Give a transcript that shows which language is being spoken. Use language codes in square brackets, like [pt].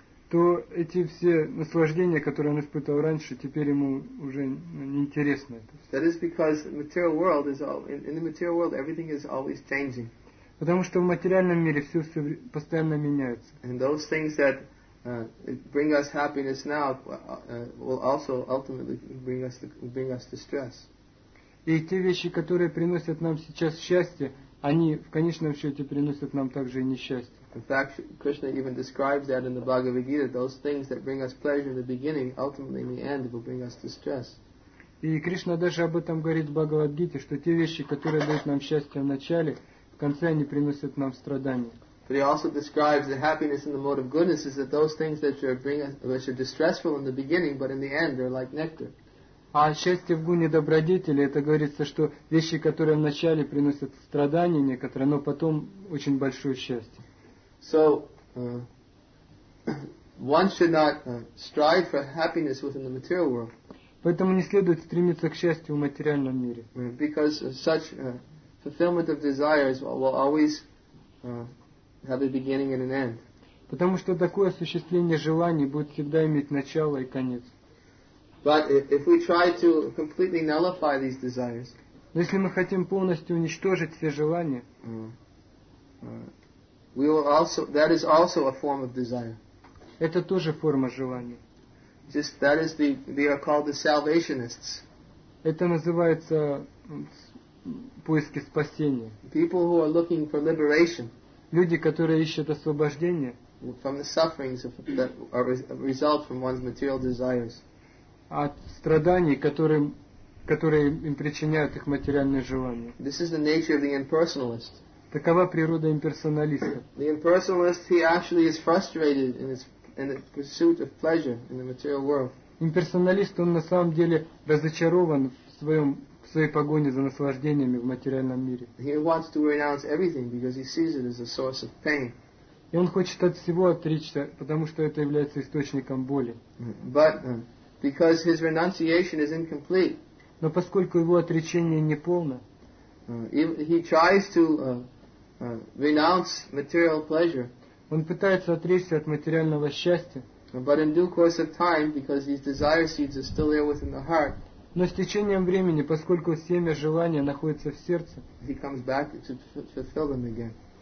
[ru] То эти все наслаждения, которые он испытывал раньше, теперь ему уже не интересно. [en] That is because the material world is all in the material world everything is always changing. [ru] Потому что в материальном мире все постоянно меняется. [en] And those things that bring us happiness now will also ultimately bring us distress. [ru] И те вещи, которые приносят нам сейчас счастье, они в конечном счете приносят нам также и несчастье. [en] In fact, Krishna even describes that in the Bhagavad Gita, those things that bring us pleasure in the beginning, ultimately in the end, will bring us distress. [ru] И Кришна даже об этом говорит в Бхагавад-гите, что те вещи, которые дают нам счастье в начале, в конце они приносят нам страдания. [en] But he also describes the happiness in the mode of goodness is that those things that are which are distressful in the beginning, but in the end they're like nectar. [ru] А счастье в гуне добродетели, это говорится, что вещи, которые вначале приносят страдания некоторые, но потом очень большое счастье. [en] So, one should not strive for happiness within the material world. [ru] Поэтому не следует стремиться к счастью в материальном мире. [en] Because such fulfillment of desires will always have a beginning and an end. [ru] Потому что такое осуществление желаний будет всегда иметь начало и конец. [en] But if we try to completely nullify these desires, [ru] но если мы хотим полностью уничтожить все желания, [en] we will also that is also a form of desire. [ru] Это тоже форма желания. [en] Just that is the they are called the salvationists. [ru] Это называется поиски спасения. [en] People who are looking for liberation. [ru] Люди, которые ищут освобождение. [en] From the sufferings of, that are result from one's material desires. [ru] От страданий, которые им причиняют их материальные желания. [en] This is the nature of the impersonalist. [ru] Такова природа имперсоналиста. [en] The impersonalist, he actually is frustrated in his and the pursuit of pleasure in the material world. [ru] Имперсоналист, он на самом деле разочарован в своей погоне за наслаждениями в материальном мире. [en] He wants to renounce everything because he sees it as a source of pain. [ru] И он хочет от всего отречься, потому что это является источником боли. [en] But because his renunciation is incomplete. [ru] Но поскольку его отречение не полно, [en] he tries to renounce material pleasure. [ru] Он пытается отречься от материального счастья. [en] But in due course of time, because these desire seeds are still there within the heart. [ru] Но с течением времени, поскольку семя желания находится в сердце, [en] he comes back to fulfill them again.